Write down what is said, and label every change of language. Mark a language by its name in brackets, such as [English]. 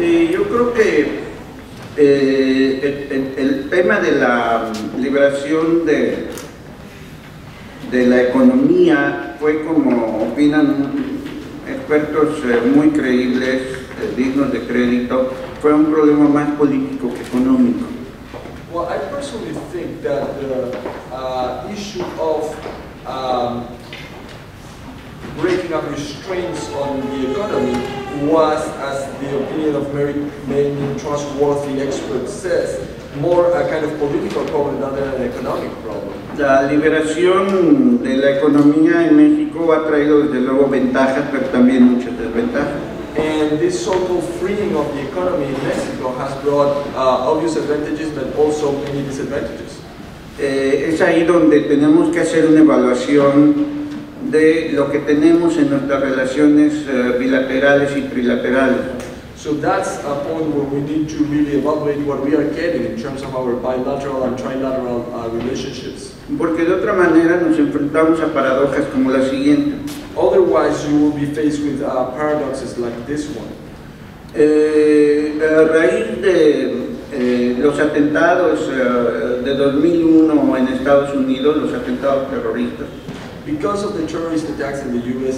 [Spanish] Yo creo que el tema de la liberación de la economía fue como opinan expertos muy creíbles, dignos de crédito, fue un problema más político que económico. [English] Well, I personally think that the issue of breaking up restraints on the economy was, as the opinion of many trustworthy experts says, more a kind of political problem rather than an economic problem. [Spanish] La liberación de la economía en México ha traído desde luego ventajas, pero también muchas desventajas. [English] And this so-called freeing of the economy in Mexico has brought obvious advantages, but also many disadvantages. [Spanish] Es ahí donde tenemos que hacer una evaluación de lo que tenemos en nuestras relaciones bilaterales y trilaterales. [English] So that's a point where we need to really evaluate what we are getting in terms of our bilateral and trilateral relationships. [Spanish] Porque de otra manera nos enfrentamos a paradojas como la siguiente. [English] Otherwise, you will be faced with paradoxes like this one. [Spanish] A raíz de los atentados de 2001 en Estados Unidos, los atentados terroristas. [English] Because of the terrorist attacks in the U.S.